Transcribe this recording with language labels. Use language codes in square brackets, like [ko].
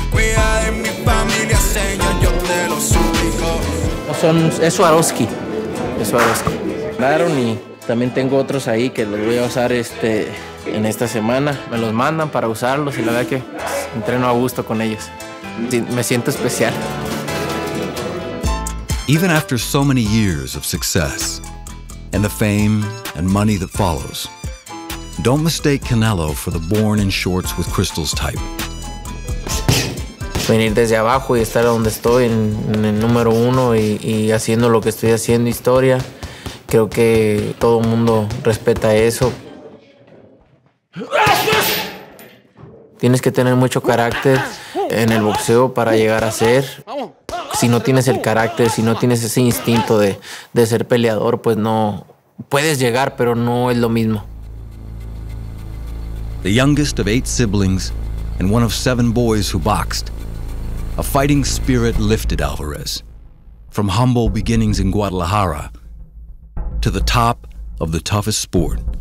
[es] Cuida de mi familia, señor, yo te lo suplico. No son, es Swarovski. Es Swarovski. Daron y también tengo otros ahí que los voy a usar en esta semana. Me los mandan para usarlos y la verdad que entreno a gusto con ellos. Me siento especial. [en] Even after so many years of success and the fame and money that follows, don't mistake Canelo for the born in shorts with crystals type. [es] Venir desde abajo y estar donde estoy en el número uno y haciendo lo que estoy haciendo, historia, creo que todo el mundo respeta eso. Tienes que tener mucho carácter en el boxeo para llegar a ser. Si no tienes el carácter, si no tienes ese instinto de ser peleador, pues no puedes llegar, pero no es lo mismo. [en] The youngest of eight siblings and one of seven boys who boxed, a fighting spirit lifted Alvarez from humble beginnings in Guadalajara to the top of the toughest sport.